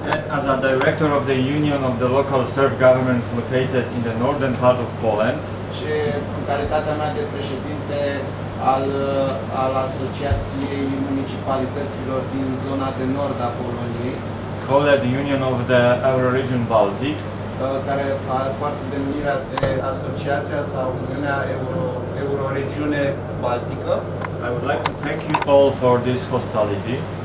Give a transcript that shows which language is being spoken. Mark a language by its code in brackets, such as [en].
[en] As a director of the Union of the Local Serb Governments located in the northern part of Poland. [ro] Și în calitatea mea de președinte al asociației municipalităților din zona de nord a Poloniei. [en] Called the Union of the Euroregion Baltic. [ro] Care poartă denumirea de asociația sau Uniunea Euroregiune Baltică. [en] I would like to thank you all for this hostility.